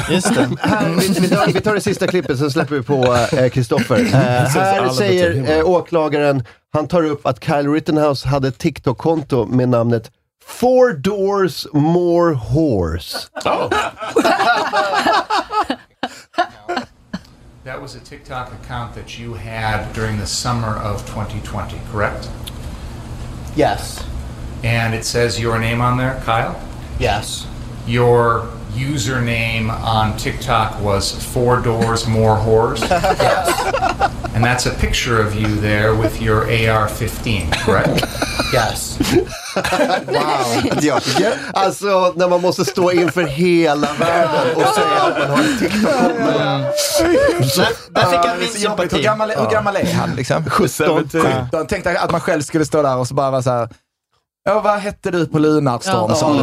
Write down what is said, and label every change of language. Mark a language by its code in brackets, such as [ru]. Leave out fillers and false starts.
[sv] Just det. vi tar det sista klippet, så släpper vi på Kristoffer. Här säger åklagaren, han tar upp att Kyle Rittenhouse hade ett TikTok-konto med namnet Four Doors More Horse. Oh. [en] That was a TikTok account that you had during the summer of 2020, correct? Yes. And it says your name on there, Kyle? Yes. Your username on TikTok was Four Doors More Whores. Yes. And that's a picture of you there with your AR-15, correct? Yes. Wow. [sv] Alltså, när man måste stå inför hela världen och säga att man har TikTok. Där fick jag min sympati. Hur gammal är han? Liksom? 17. Tänkte att man själv skulle stå där och så bara vara så här. Ja, vad hette du på Lunarstorm, sa du?